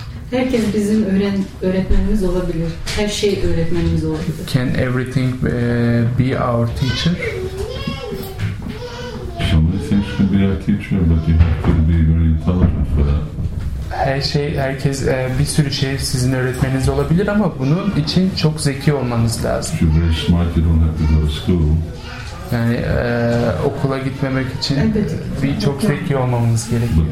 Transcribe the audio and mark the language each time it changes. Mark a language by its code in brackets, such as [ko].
[tr] Herkes bizim öğretmenimiz olabilir. Her şey öğretmenimiz olabilir. [en] Can everything be our teacher? Some things can be our teacher, but you have to be very intelligent for that. [tr] her şey, herkes, bir sürü şey sizin öğretmeniniz olabilir ama bunun için çok zeki olmanız lazım. [en] You're very smart, you don't have to go to school. [tr] Yani okula gitmemek için bir çok zeki olmamız gerekiyor.